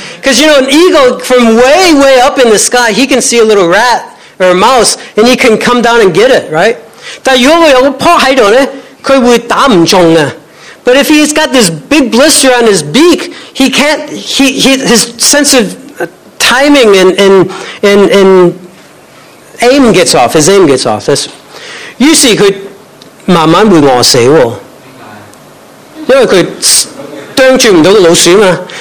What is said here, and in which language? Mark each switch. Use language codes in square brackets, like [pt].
[en] Because, you know, an eagle from way, way up in the sky, he can see a little rat or a mouse, and he can come down and get it, right? [zh] 但如果有个泡在那里,它会打不中的。 [en] But if he's got this big blister on his beak, he can't, his sense of timing and aim gets off, his aim gets off. You see, [zh] 它慢慢会饿死。因为它盯住不了老鼠嘛。